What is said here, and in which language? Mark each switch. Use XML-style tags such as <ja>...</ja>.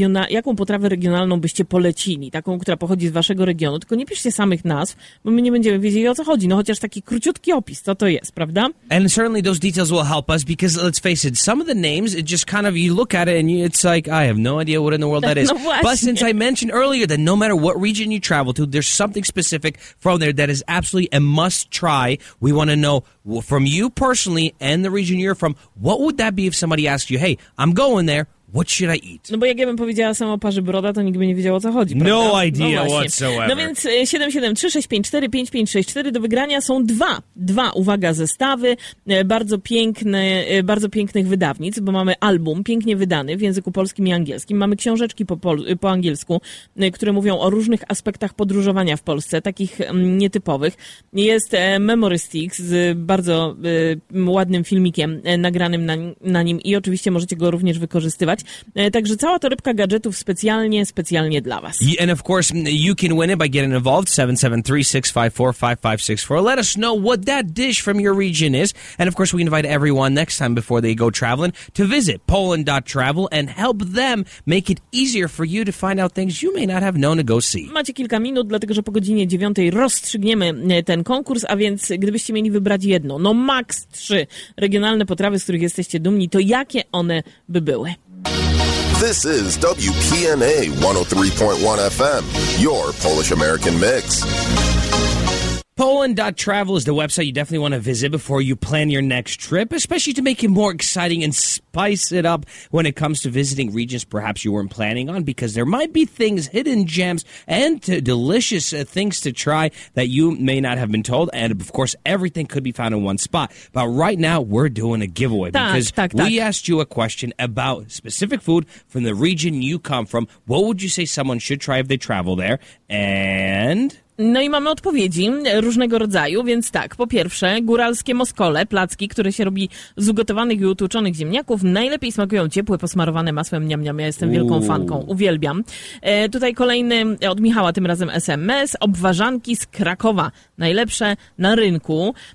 <pl>Jaką potrawę regionalną byście polecili? Taką, która pochodzi z waszego regionu. Tylko nie piszcie samych nazw, bo my nie będziemy wiedzieli, o co chodzi. No chociaż taki króciutki opis, co to jest, prawda?</pl> <en>And certainly those details will help us, because let's face it, some of the names, it just kind of, you look at it and it's like, I have no idea what in the world that is.</en> <pl>No właśnie.</pl> <en>But since I mentioned earlier that no matter what region you travel to, there's something specific from there that is absolutely a must try. We want to know from you personally and the region you're from, what would that be if somebody asked you, hey, I'm going there, what should I eat?</en> <pl>No bo jak ja bym powiedziała samoparzy broda, to nikt by nie wiedział, o co chodzi, prawda?</pl> <en>No idea whatsoever.</en> <pl>No więc 773-654-5564 do wygrania są dwa, uwaga, zestawy bardzo pięknych wydawnictw, bo mamy album pięknie wydany w języku polskim i angielskim, mamy książeczki po angielsku, które mówią o różnych aspektach podróżowania w Polsce, takich nietypowych. Jest Memory Sticks z bardzo ładnym filmikiem nagranym na nim i oczywiście możecie go również wykorzystywać. Także cała to rybka gadżetów specjalnie dla was.</pl> <en>And of course, you can win it by getting involved. 773-654-5564. Let us know what that dish from your region is. And of course, we invite everyone next time before they go traveling to visit poland.travel and help them make it easier for you to find out things you may not have known to go see.</en> <pl>Macie kilka minut, dlatego że po godzinie 9 rozstrzygniemy ten konkurs, a więc gdybyście mieli wybrać jedno, no max 3 regionalne potrawy, z których jesteście dumni, to jakie one by były?</pl> <en>This is WPNA 103.1 FM, your Polish-American mix. Poland.travel is the website you definitely want to visit before you plan your next trip, especially to make it more exciting and spice it up when it comes to visiting regions perhaps you weren't planning on, because there might be things, hidden gems, and delicious things to try that you may not have been told, and of course everything could be found in one spot. But right now, we're doing a giveaway, because tak. We asked you a question about specific food from the region you come from. What would you say someone should try if they travel there? And</en> <pl>no i mamy odpowiedzi różnego rodzaju, więc tak, po pierwsze, góralskie moskole, placki, które się robi z ugotowanych i utłuczonych ziemniaków, najlepiej smakują ciepłe, posmarowane masłem niam-niam, ja jestem wielką fanką, uwielbiam. Tutaj kolejny, od Michała tym razem SMS, obwarzanki z Krakowa, najlepsze na rynku.</pl>